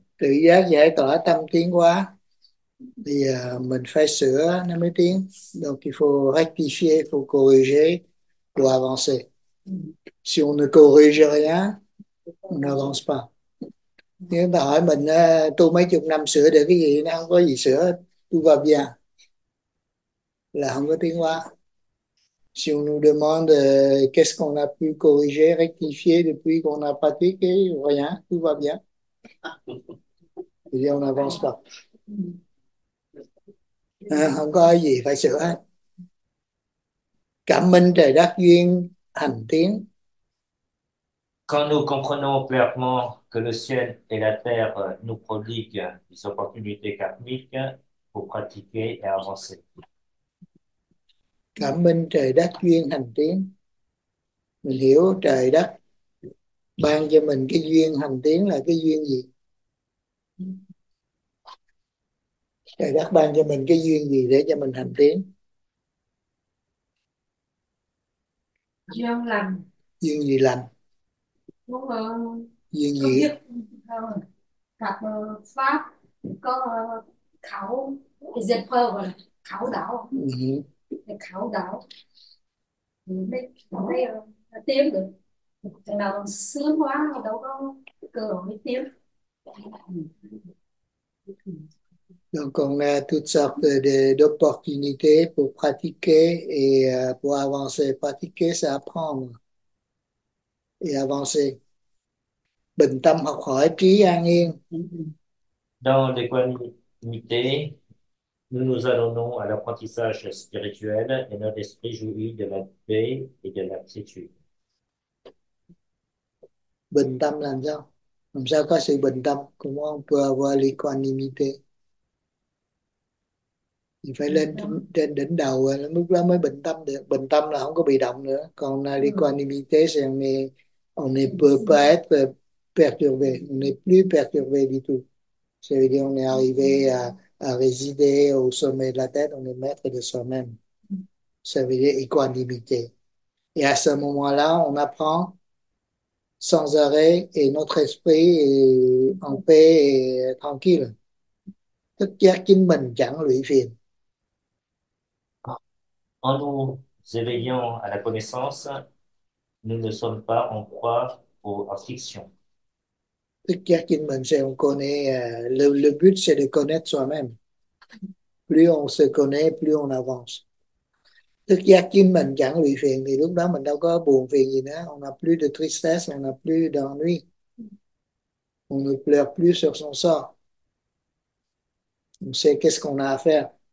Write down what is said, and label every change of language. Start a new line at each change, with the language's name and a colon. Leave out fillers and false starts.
Vietnamese: tự giác giải tỏa tâm tiến hóa. Thì mình phải sửa nó mới tiến.
French: Donc il faut rectifier, il faut corriger pour avancer. Si on ne corrige rien, on n'avance pas.
Vietnamese: Nếu mà hỏi mình tu mấy chục năm sửa được cái gì, nó không có gì sửa, tu vào già là không có tiến hóa.
French: Si on nous demande qu'est-ce qu'on a pu corriger, rectifier depuis qu'on a pratiqué, rien, tout va bien. Et on n'avance pas.
Vietnamese: Không có gì phải sửa. Cảm minh trời đất duyên hành tiến.
French: Quand nous comprenons clairement que le ciel et la terre nous prodiguent des opportunités karmiques pour pratiquer et avancer.
Vietnamese: Cảm minh trời đất duyên hành tiến. Mình hiểu trời đất ban cho mình cái duyên hành tiến là cái duyên gì? Trời đất ban cho mình cái duyên gì để cho mình hành tiến? Duyên lành. Duyên gì lành? Đúng không? Duyên Có gì? biết gặp pháp có khảo khảo đạo. Khảo đạo mới tiếp được thằng nào sướng quá đâu có cơ hội tiếp
French: Donc on a toutes sortes d'opportunités pour pratiquer et pour avancer. Pratiquer, c'est apprendre et avancer.
Vietnamese: Bình tâm học hỏi trí an yên.
French: dans les unités. Nous allons donc à l'apprentissage spirituel et notre esprit jouit de la paix et de la quiétude.
Vietnamese: Bình tâm làm sao? Làm sao có sự bình tâm?
French: Comment on peut avoir l'équanimité?
Vietnamese: Thì phải lên trên đỉnh đầu lúc đó mới bình tâm được. Bình tâm là không có bị động nữa.
French: Còn l'équanimité, c'est on ne peut pas être perturbé. On n'est plus perturbé du tout. C'est-à-dire on est arrivé à résider au sommet de la tête, on est maître de soi-même. Ça veut dire équanimité. Et à ce moment-là, on apprend sans arrêt et notre esprit est en paix et tranquille.
Vietnamese: Thức giác chính mình chẳng lụy phiền.
French: En nous éveillant à la connaissance, nous ne sommes pas en proie aux afflictions.
Vietnamese: Thức giác chính mình
French: c'est on connaît, le but c'est de connaître soi-même. Plus on se connaît, plus on avance.
Vietnamese: thức giác chính mình chẳng bị phiền thì lúc đó mình đâu có buồn phiền gì nữa.
French: On n'a plus de tristesse, on n'a plus d'ennui. On ne pleure plus sur son sort. On sait qu'est-ce qu'on a à faire.